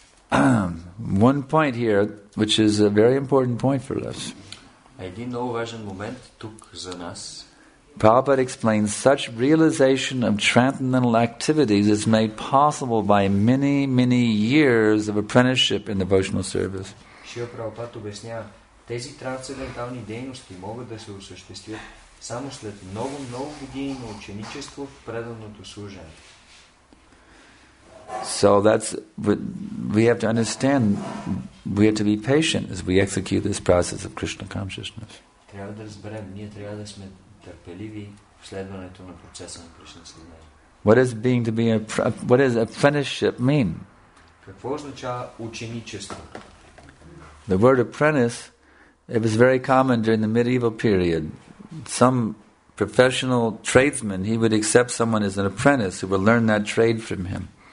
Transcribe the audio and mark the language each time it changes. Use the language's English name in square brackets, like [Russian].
[English] One point here, which is a very important point for us. [Bulgarian] Един много важен момент тук за нас. [English] Prabhupada explains such realization of transcendental activities is made possible by many, many years of apprenticeship in devotional service. [Bulgarian] Шрила Прабхупада обяснява, тези трансцендентални дейности могат да се осъществят само след много, много години на ученичество в преданото служение. [English] So that's we have to understand, we have to be patient as we execute this process of Krishna consciousness. [Bulgarian] Трябва да разберем, ние трябва да сме търпеливи в следването на процеса на Кришна съзнание. [English] What is being to be a what does apprenticeship mean? [Bulgarian] Какво означава ученичество? [English] The word apprentice, it was very common during the medieval period. Some professional tradesman, he would accept someone as an apprentice who would learn that trade from him.